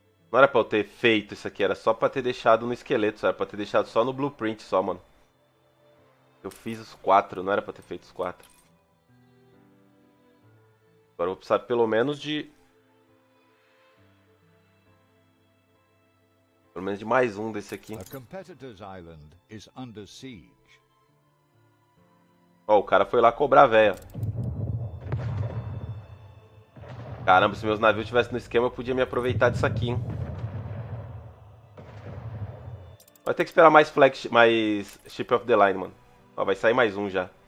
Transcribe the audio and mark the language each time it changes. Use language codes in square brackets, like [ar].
[pt] Não era pra eu ter feito isso aqui, era só pra ter deixado no esqueleto, só era pra ter deixado só no blueprint só, mano. Eu fiz os quatro, não era pra ter feito os quatro. Agora eu vou precisar pelo menos de... Pelo menos de mais um desse aqui. [en] A competitor's island is under siege. [pt] Ó, o cara foi lá cobrar, velho. Caramba, se meus navios estivessem no esquema, eu podia me aproveitar disso aqui, hein? Vai ter que esperar mais flex, mais Ship of the Line, mano. Ó, vai sair mais um já.